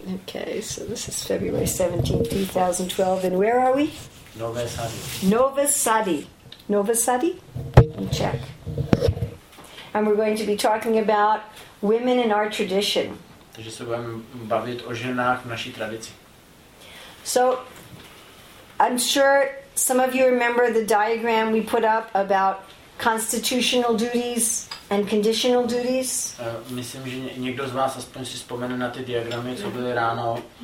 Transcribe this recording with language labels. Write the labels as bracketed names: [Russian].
[English] Okay, so this is February 17, 2012, and where are we? Nova Sadi. Nova Sadi? Let me check. And we're going to be talking about women in our tradition. [Czech] Takže se budeme bavit o ženách v naší tradici. [English] So, I'm sure some of you remember the diagram we put up about constitutional duties and conditional duties. [Czech] Myslím, že někdo z vás aspoň si vzpomene na ty diagramy, co byly ráno.